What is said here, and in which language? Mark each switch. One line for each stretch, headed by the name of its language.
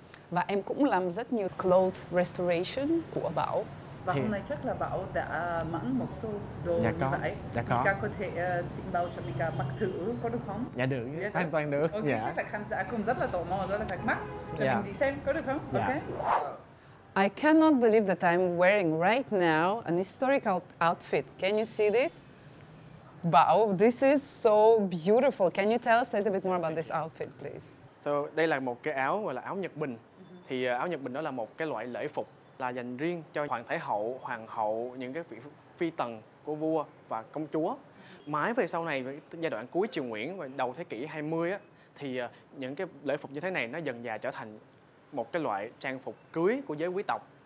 Vietnamese: Và em cũng làm rất nhiều clothes restoration của Bảo. Và hôm nay chắc là Bảo đã mẫn một số đồ dạ như có. Vậy. Dạ Mika có thể xin bao cho Mika mặc thử, có được không? Dạ được, dạ hoàn toàn được. Ok, dạ. Chắc là khán giả cũng rất là tò mò, rất là thắc mắc. Cho dạ. Mình đi xem, có được không? Dạ. Ok.
English: I cannot believe that I'm wearing right now an historical outfit. Can you see this? Bảo, this is so beautiful. Can you tell us a little bit more about this outfit, please?
Vietnamese: So, đây là một cái áo gọi là áo Nhật Bình. Thì áo Nhật Bình đó là một cái loại lễ phục là dành riêng cho hoàng thái hậu, hoàng hậu, những cái vị phi tần của vua và công chúa. Mãi về sau này, giai đoạn cuối triều Nguyễn và đầu thế kỷ 20 á, thì những cái lễ phục như thế này nó dần dà trở thành một cái loại trang phục cưới của giới quý tộc.